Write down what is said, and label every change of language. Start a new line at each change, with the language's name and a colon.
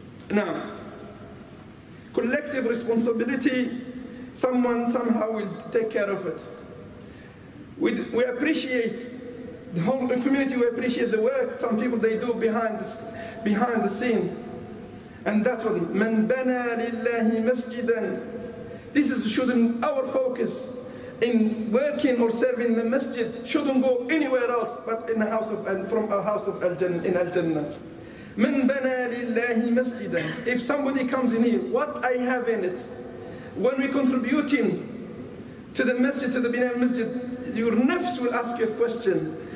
English: Now, collective responsibility, someone somehow will take care of it. We appreciate the whole community, we appreciate the work some people they do behind the scene. And that's what
Arabic: من بنى لله مسجدا.
English: This is shouldn't our focus in working or serving the masjid shouldn't go anywhere else but in the house of from a house of Al-Jannah.
Arabic: من بنى لله مسجدا.
English: If somebody comes in here, what I have in it, when we contributing to the masjid, to the Bina al-Masjid, your nafs will ask you a question.